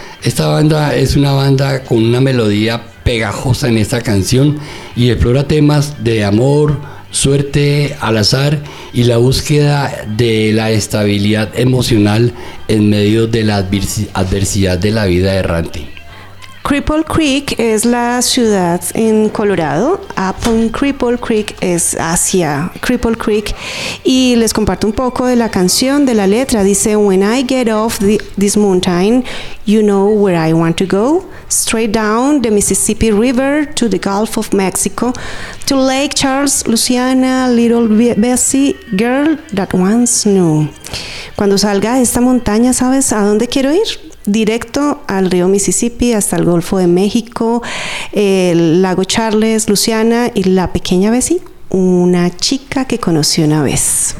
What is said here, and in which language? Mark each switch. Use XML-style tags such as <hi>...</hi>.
<es>Esta banda es una banda con una melodía pegajosa en esta canción y explora temas de amor, suerte, al azar y la búsqueda de la estabilidad emocional en medio de la adversidad de la vida errante. Cripple Creek es la ciudad en Colorado. Upon Cripple Creek es hacia Cripple Creek. Y les comparto un poco de la canción, de la letra.</es> <en>Dice: When I get off this mountain, you know where I want to go. Straight down the Mississippi River to the Gulf of Mexico, to Lake Charles, Louisiana, little Bessie, girl that once knew.</en> <es>Cuando salga de esta montaña, ¿sabes a dónde quiero ir? Directo al río Mississippi, hasta el Golfo de México, el lago Charles, Louisiana y la pequeña Bessie, una chica que conocí una vez.</es>